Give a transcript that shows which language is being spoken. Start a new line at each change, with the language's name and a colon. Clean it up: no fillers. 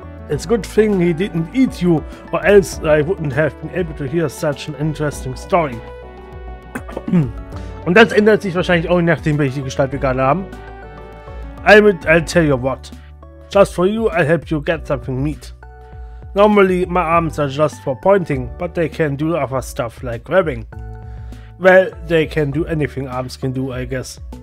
English: It's a good thing he didn't eat you, or else I wouldn't have been able to hear such an interesting story.
German: Und das ändert sich wahrscheinlich auch, nachdem welche Gestalt wir gerade haben.
English: I'll tell you what. Just for you, I'll help you get something meat. Normally, my arms are just for pointing, but they can do other stuff like grabbing. Well, they can do anything arms can do, I guess.